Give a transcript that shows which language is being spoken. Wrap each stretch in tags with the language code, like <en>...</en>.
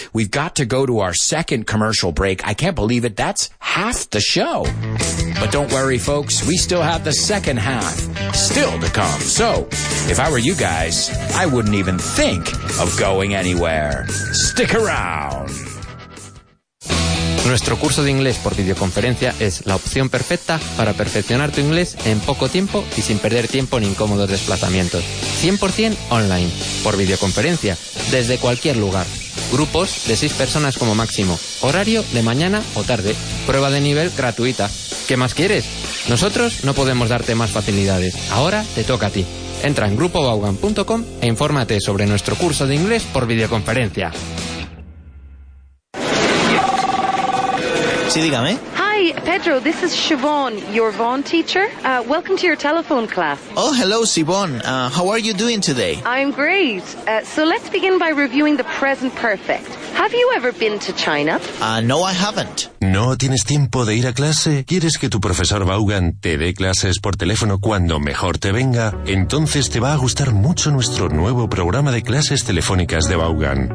<en>We've got to go to our second commercial break. I can't believe it. That's half the show. But don't worry, folks. We still have the second half still to come. So if I were you guys, I wouldn't even think of going anywhere. Stick around.</en> <es>Nuestro curso de inglés por videoconferencia es la opción perfecta para perfeccionar tu inglés en poco tiempo y sin perder tiempo en incómodos desplazamientos. 100% online, por videoconferencia, desde cualquier lugar. Grupos de 6 personas como máximo. Horario de mañana o tarde. Prueba de nivel gratuita. ¿Qué más quieres? Nosotros no podemos darte más facilidades. Ahora te toca a ti. Entra en grupobaugan.com e infórmate sobre nuestro curso de inglés por videoconferencia. Sí, dígame.</es> <en>Hi, Pedro, this is Siobhan, your Vaughan teacher. Welcome to your telephone class. Oh, hello, Siobhan. How are you doing today? I'm great. So let's begin by reviewing the present perfect. Have you ever been to China? No, I haven't.</en> <es>¿No tienes tiempo de ir a clase? ¿Quieres que tu profesor Vaughan te dé clases por teléfono cuando mejor te venga? Entonces te va a gustar mucho nuestro nuevo programa de clases telefónicas de Vaughan.</es>